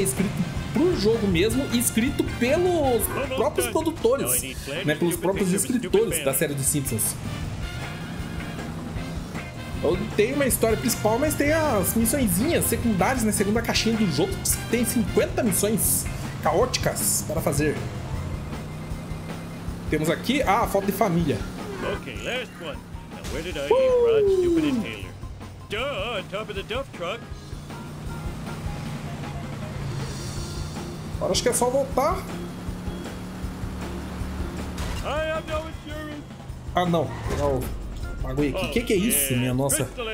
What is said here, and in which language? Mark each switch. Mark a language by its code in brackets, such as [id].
[pt] Escrito pro jogo mesmo e escrito pelos próprios produtores, né? Pelos próprios escritores da série dos Simpsons. Tem uma história principal, mas tem as missõezinhas secundárias, né? Segundo a caixinha dos outros, tem 50 missões caóticas para fazer. Temos aqui a foto de família. [en] Ok, last one. Now, where did I leave Rod's stupid inhaler? Duh, on top of the dump truck. [pt] Agora acho que é só voltar. [en] I have no insurance. [pt] Ah, não. Não. Bagulho aqui, que é isso, minha nossa?